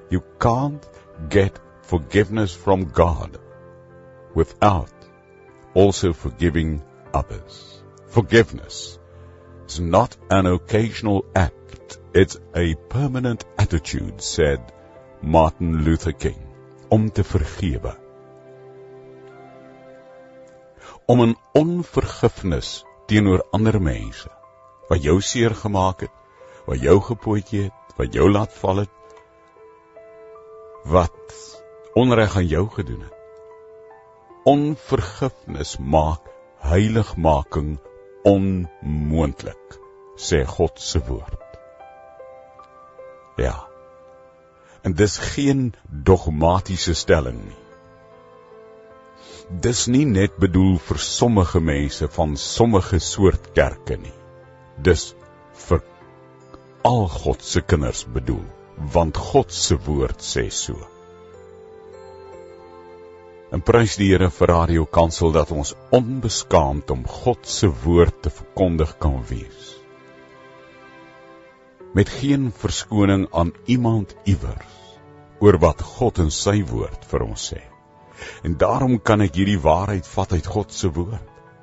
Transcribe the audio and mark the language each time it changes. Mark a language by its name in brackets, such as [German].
[English] You can't get forgiveness from God without also forgiving others. Forgiveness is not an occasional act. It's a permanent attitude, said Martin Luther King. [Afrikaans] Om te vergewe. Om 'n onvergifnis teenoor ander mense, wat jou seer gemaak het, wat jou gepootjie het, wat jou laat val het, wat onreg aan jou gedoen het. Onvergifnis maak heiligmaking onmoontlik, sê God se woord. Ja, en dis geen dogmatiese stelling nie. Dis nie net bedoel vir sommige mense van sommige soort kerke nie. Dis vir al God se kinders bedoel, want God se woord sê so. En prys die Here vir Radio Kansel dat ons onbeskaamd om God se woord te verkondig kan wees. Met geen verskoning aan iemand iewers oor wat God in sy woord vir ons sê. En daarom kan ek hierdie waarheid vat uit God se woord.